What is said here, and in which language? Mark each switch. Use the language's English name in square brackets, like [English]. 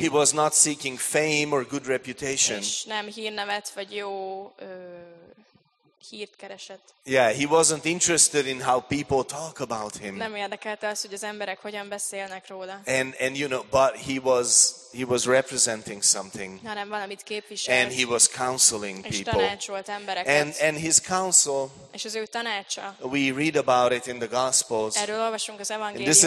[English] He was not seeking fame or good reputation. [Hungarian] És nem hírnevet vagy jó hírt keresett. [English] Yeah, he wasn't interested in how people talk about him. [Hungarian] Nem érdekelte az, hogy az emberek hogyan beszélnek róla. [English] And you know, but he was representing something. [Hungarian] Hanem valamit képvisel. [English] And he was counseling people. [Hungarian] És tanácsolt embereket. [English] And his counsel. [Hungarian] És az ő tanácsa. [English] We read about it in the Gospels. [Hungarian] Erről olvasunk az evangéliumokban.